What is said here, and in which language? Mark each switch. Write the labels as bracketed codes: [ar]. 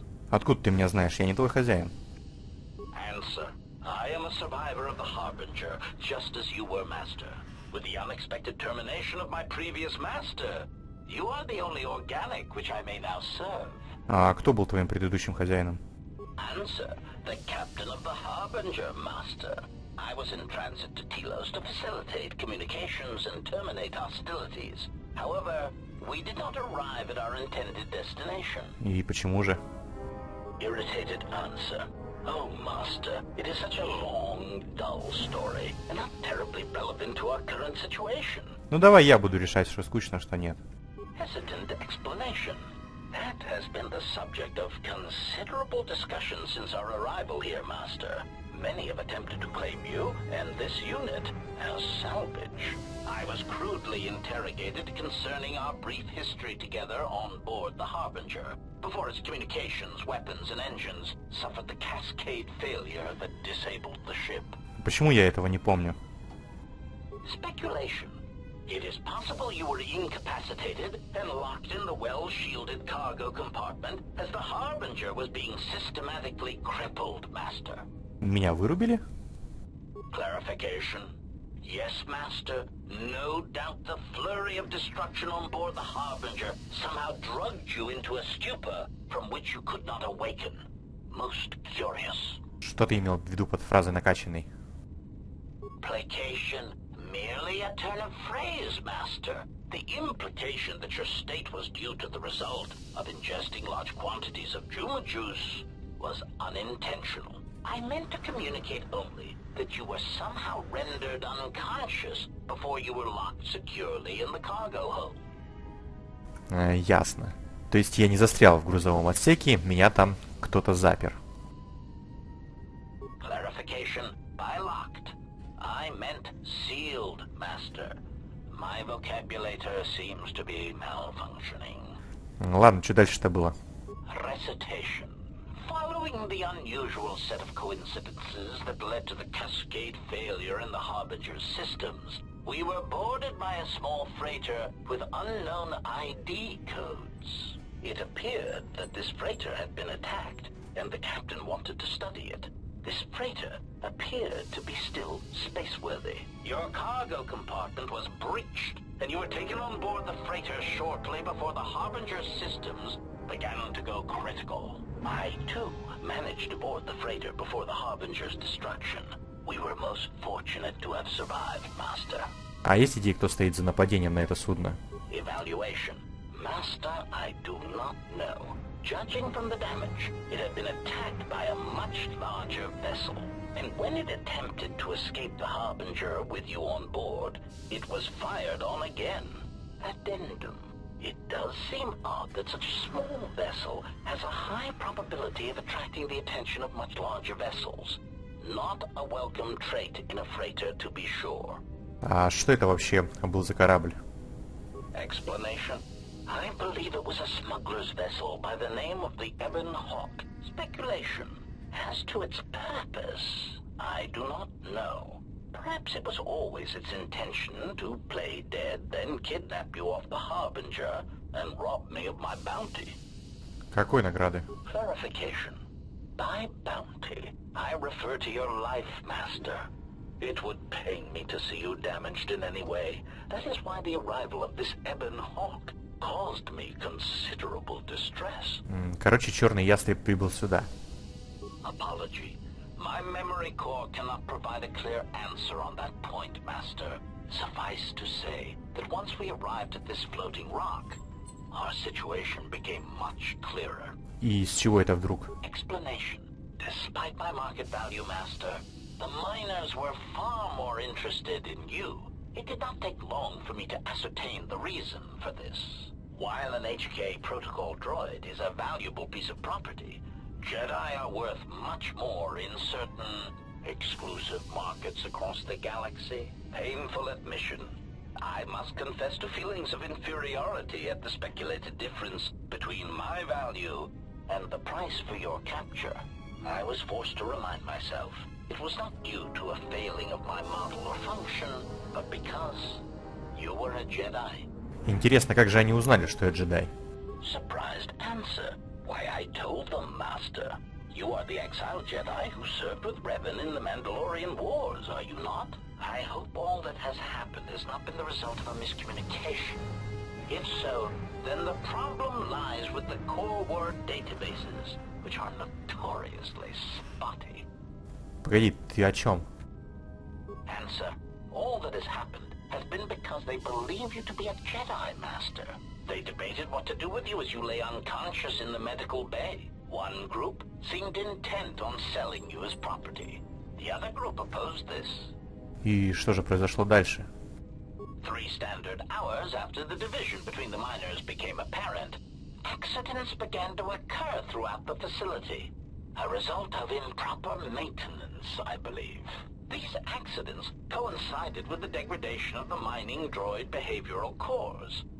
[ru] Откуда ты меня знаешь? Я не твой хозяин. [en] Answer. I am a survivor of the Harbinger, just as you were, Master. With the unexpected termination of my previous Master, you are the only organic which I may now serve. [ru] А кто был твоим предыдущим хозяином? [en] Answer. The captain of the Harbinger, Master. I was in transit to Telos to facilitate communications and terminate hostilities. However, we did not arrive at our intended destination. [ru] И почему же? [en] Irritated answer. Oh, Master, it is such a long, dull story, and not terribly relevant to our current situation. [ru] Ну давай я буду решать, что скучно, что нет. [en] Hesitant explanation. That has been the subject of considerable discussion since our arrival here, Master. Many have attempted to claim you and this unit as salvage. I was crudely interrogated concerning our brief history together on board the Harbinger, before its communications, weapons, and engines suffered the cascade failure that disabled the ship. [ru] Почему я этого не помню? [en] Speculation. It is possible you were incapacitated and locked in the well-shielded cargo compartment as the Harbinger was being systematically crippled, Master. [ru] Меня вырубили? [en] Clarification. Yes, Master. No doubt the flurry of destruction on board the Harbinger somehow drugged you into a stupor from which you could not awaken. Most curious. [ru] Что ты имел в виду под фразой «накачанный»? [en] Placation. Merely a turn of phrase, Master. The implication that your state was due to the result of ingesting large quantities of Juma juice was unintentional. I meant to communicate only that you were somehow rendered unconscious before you were locked securely in the cargo hold. [ru] Ясно. То есть я не застрял в грузовом отсеке, меня там кто-то запер. [en] Clarification. By locked, I meant sealed, Master. My vocabulator seems to be malfunctioning. [ru] Ладно, что дальше-то было? [en] Recitation. Following the unusual set of coincidences that led to the cascade failure in the Harbinger's systems, we were boarded by a small freighter with unknown ID codes. It appeared that this freighter had been attacked, and the captain wanted to study it. This freighter appeared to be still spaceworthy. Your cargo compartment was breached, and you were taken on board the freighter shortly before the Harbinger's systems began to go critical. I, too, managed to board the freighter before the Harbinger's destruction. We were most fortunate to have survived, Master. [ru] А есть идеи, кто стоит за нападением на это судно? [en] Evaluation. Master, I do not know. Judging from the damage, it had been attacked by a much larger vessel. And when it attempted to escape the Harbinger with you on board, it was fired on again. Addendum. It does seem odd that such a small vessel has a high probability of attracting the attention of much larger vessels. Not a welcome trait in a freighter, to be sure. [ru] А что это вообще был за корабль? [en] Explanation. I believe it was a smuggler's vessel by the name of the Ebon Hawk. Speculation. As to its purpose, I do not know. Perhaps it was always its intention to play dead, then kidnap you off the Harbinger and rob me of my bounty. [ru] Какой награды? [en] Clarification. By bounty, I refer to your life, Master. It would pain me to see you damaged in any way. That is why the arrival of this Ebon Hawk caused me considerable distress. [ru] Короче, черный ястреб прибыл сюда. [en] apology. My memory core cannot provide a clear answer on that point, Master. Suffice to say that once we arrived at this floating rock, our situation became much clearer. [ru] И с чего это вдруг? [en] Explanation. Despite my market value, Master, the miners were far more interested in you. It did not take long for me to ascertain the reason for this. While an HK protocol droid is a valuable piece of property, Jedi are worth much more in certain exclusive markets across the galaxy. Painful admission. I must confess to feelings of inferiority at the speculated difference between my value and the price for your capture. I was forced to remind myself it was not due to a failing of my model or function, but because you were a Jedi. [ru] Интересно, как же они узнали, что я джедай? [en] Surprised answer. Why, I told them, Master. You are the exiled Jedi who served with Revan in the Mandalorian Wars, are you not? I hope all that has happened has not been the result of a miscommunication. If so, then the problem lies with the core word databases, which are notoriously spotty. [ru] Погоди, ты о чем? [en] Answer. All that has happened has been because they believe you to be a Jedi, Master. They debated what to do with you as you lay unconscious in the medical bay. One group seemed intent on selling you as property. The other group opposed this. [ru] И что же произошло дальше? [en] Three standard hours after the division between the miners became apparent, accidents began to occur throughout the facility. A result of improper maintenance, I believe. These accidents coincided with the degradation of the mining droid behavioral cores.